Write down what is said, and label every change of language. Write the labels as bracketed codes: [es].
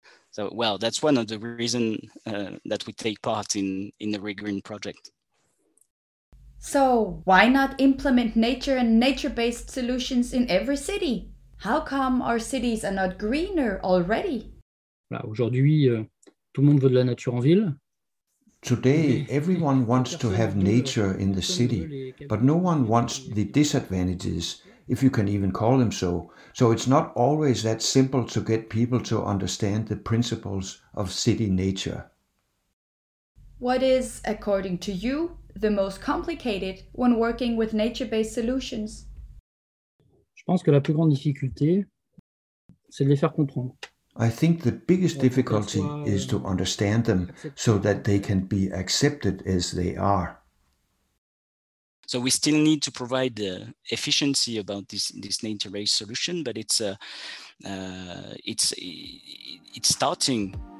[en] So, well, that's one of the reasons that we take part in the ReGreen project. So why not implement nature and nature-based solutions in every city? How come our cities are not greener already? [fr] Là, aujourd'hui, tout le monde veut de la nature en ville. [en] Today, everyone wants to have nature in the city, but no one wants the disadvantages if you can even call them so. So it's not always that simple to get people to understand the principles of city nature. What is, according to you, the most complicated when working with nature-based solutions? [fr] Je pense que la plus grande difficulté, c'est de les faire comprendre. [en] I think the biggest difficulty is to understand them so that they can be accepted as they are. So we still need to provide the efficiency about this nature-based solution, but it's starting.